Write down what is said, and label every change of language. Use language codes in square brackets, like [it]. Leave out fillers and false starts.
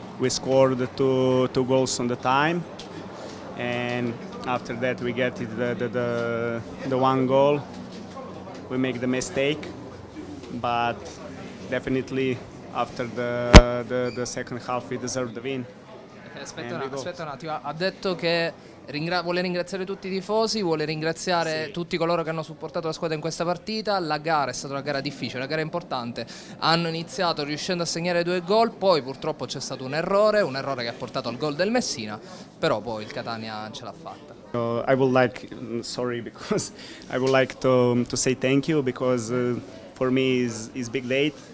[en] We scored two goals on the time, and after that we get the one goal. We make the mistake, but definitely after the second half we deserve the win. [it] Aspetta un attimo, ha detto che vuole ringraziare tutti i tifosi, vuole ringraziare sì. Tutti coloro che hanno supportato la squadra in questa partita. La gara è stata una gara difficile, una gara importante. Hanno iniziato riuscendo a segnare due gol, poi purtroppo c'è stato un errore che ha portato al gol del Messina, però poi il Catania ce l'ha fatta. [en] I would like, sorry, because I would like to say thank you because for me is big day.